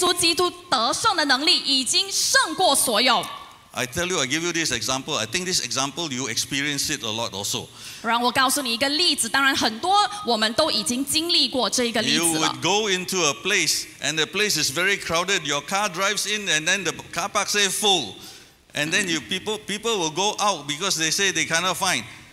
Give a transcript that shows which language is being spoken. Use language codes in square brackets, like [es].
[zh] 就是呢，互相的提醒。我跟我的太太，太太会对我说，然后我也会对我的太太说，我们互相提醒，提醒说我们已经接受了耶稣基督得胜的能力，已经胜过所有。 [en] I tell you, I give you this example. I think this example you experience it a lot also. [zh] 让我告诉你一个例子，当然很多我们都已经经历过这个例子了。 [en] You would go into a place and the place is very crowded. Your car drives in and then the car park say full. And then people will go out because they say they cannot find.